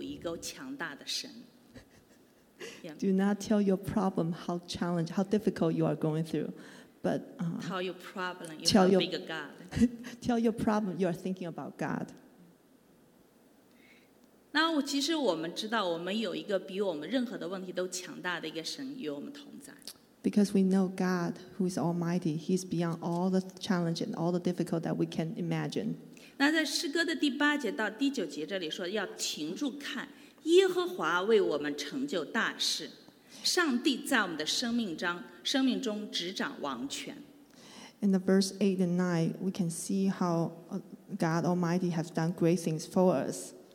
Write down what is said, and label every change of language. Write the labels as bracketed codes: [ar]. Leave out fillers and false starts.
[zh] 他说不要告诉你的问题你有多难，但是你要告诉你的问题你有一个强大的神。 [en] Do not tell your problem how challenging, how difficult you are going through. But tell your problem, you tell your bigger God. Tell your problem, you are thinking about God. [zh] 那其实我们知道，我们有一个比我们任何的问题都强大的一个神与我们同在。 [en] Because we know God, who is Almighty, He is beyond all the challenge and all the difficult that we can imagine. [zh] 那在诗歌的第八节到第九节这里说，要停住看，耶和华为我们成就大事。上帝在我们的生命中，生命中执掌王权。 [en] In the verse 8 and 9, we can see how God Almighty has done great things for us.